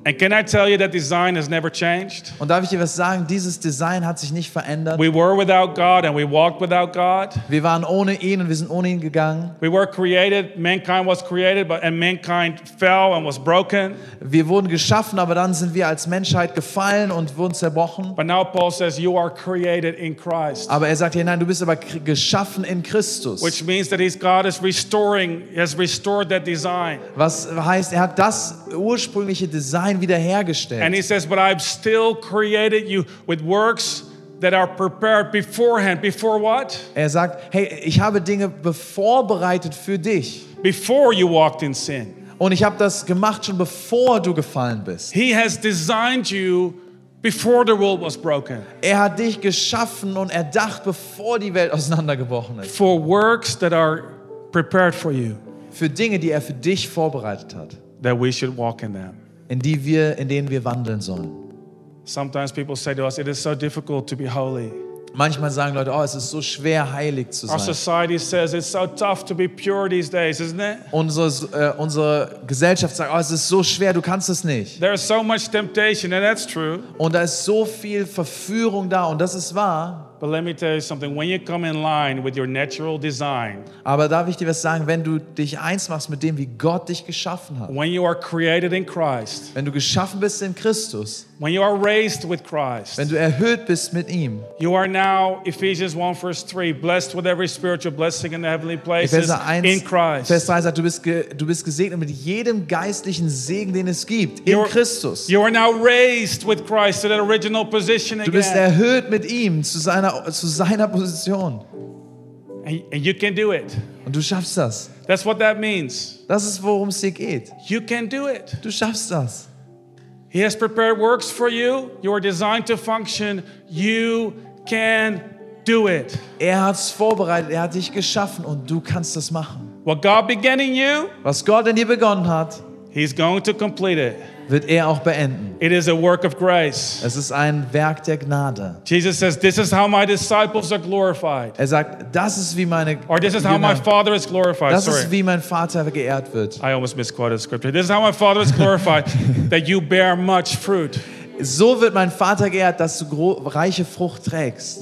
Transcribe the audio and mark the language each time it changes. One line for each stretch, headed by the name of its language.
English: And can I tell you that design has never changed?
German: Und darf ich dir was sagen? Dieses Design hat sich nicht verändert.
English: We were without God and we walked without God.
German: Wir waren ohne ihn und wir sind ohne ihn gegangen.
English: We were created, mankind was created, but and mankind fell and was broken.
German: Wir wurden geschaffen, aber dann sind wir als Menschheit gefallen und wurden zerbrochen.
English: But now Paul says you are created in Christ.
German: Aber er sagt hier, nein, du bist aber geschaffen in Christus.
English: Which means that he's God. God is restoring, has restored that design.
German: Was heißt, er hat das ursprüngliche Design wiederhergestellt.
English: And he says, but I've still created you with works that are prepared beforehand. Before what?
German: Er sagt, hey, ich habe Dinge vorbereitet für dich.
English: Before you walked in sin.
German: Und ich habe das gemacht schon bevor du gefallen bist.
English: He has designed you before the world was broken.
German: Er hat dich geschaffen und erdacht, bevor die Welt auseinandergebrochen ist.
English: For works that are prepared for you.
German: Für Dinge, die er für dich vorbereitet hat.
English: That we should walk in them.
German: In denen wir wandeln sollen.
English: Sometimes people say to us, it is so difficult to be holy.
German: Manchmal sagen Leute, oh, es ist so schwer, heilig zu sein.
English: Our society says it's so tough to be pure these days, isn't it?
German: Unsere Gesellschaft sagt, oh, es ist so schwer, du kannst es nicht.
English: There is so much temptation, and that's true.
German: Und da ist so viel Verführung da, und das ist wahr.
English: But let me tell you something. When you come in line with your natural design.
German: Aber darf ich dir was sagen? Wenn du dich eins machst mit dem, wie Gott dich geschaffen hat.
English: When you are created in Christ.
German: Wenn du geschaffen bist in Christus.
English: When you are raised with Christ.
German: Wenn du erhöht bist mit ihm.
English: You are now Ephesians 1 verse 3 blessed with every spiritual blessing in the heavenly places.
German: Epheser 1,
English: in Christ.
German: Vers 3 sagt, du bist gesegnet mit jedem geistlichen Segen, den es gibt in Christus.
English: You are now raised with Christ to that original position again.
German: Du bist erhöht mit ihm zu seiner Position.
English: And you can do it.
German: Und du schaffst das.
English: That's what that means.
German: Das ist, worum es hier geht.
English: You can do it.
German: Du schaffst das.
English: He has prepared works for you. You are designed to function. You can do it.
German: Er hat's vorbereitet. Er hat dich geschaffen und du kannst das machen.
English: What God began in you,
German: was Gott in dir begonnen hat,
English: he's going to complete it.
German: Wird er auch beenden.
English: It is a work of grace.
German: Es ist ein Werk der Gnade.
English: Jesus says, this is how my disciples are glorified.
German: Er sagt, das ist wie meine
English: Or this is how my father is glorified.
German: Das
English: Sorry.
German: Ist wie mein Vater geehrt wird.
English: I almost misquoted scripture. This is how my father is glorified that you bear much fruit.
German: So wird mein Vater geehrt, dass du reiche Frucht trägst.